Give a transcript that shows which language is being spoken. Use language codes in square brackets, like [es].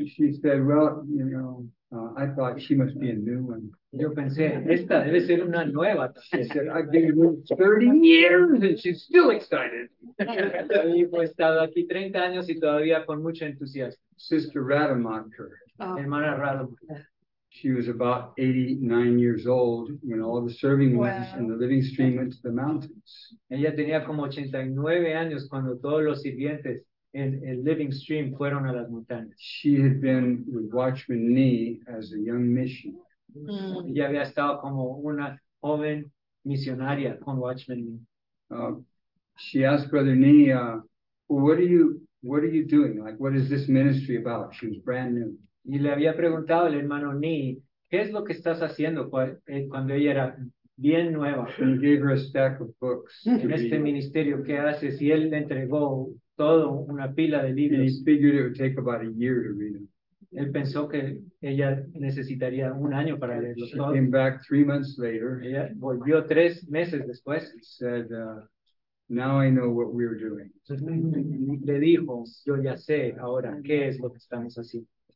[en] She said, well, you know, I thought she must be a new one. [es] Yo pensé, esta debe ser una nueva. [en] She said, I've been here 30 years and she's still excited. [es] Y he estado aquí 30 años y todavía con mucho entusiasmo. [en] Sister Rademacher. [es] Hermana Rademacher. [en] She was about 89 years old when all the serving wow. ones and the living stream went to the mountains. [es] Ella tenía como 89 años cuando todos los sirvientes en el living stream fueron a las montañas. [en] She had been with Watchman Nee as a young mission. [es] Ella había estado como una joven misionaria con Watchman Nee. [en] She asked Brother Nee, what are you doing? Like, what is this ministry about? She was brand new. [es] Y le había preguntado al hermano Nee, ¿qué es lo que estás haciendo cuando ella era bien nueva. [en] And he gave her a stack of books. [es] En este ministerio, ¿qué hace? Si él le entregó todo una pila de libros. [en] And he figured it would take about a year to read them. [es] Él pensó que ella necesitaría un año para leerlos todos. [en] She came back 3 months later. [es] Ella volvió 3 meses después. [en] Said, now I know what we are doing. [es] Le dijo, yo ya sé ahora qué es lo que estamos haciendo.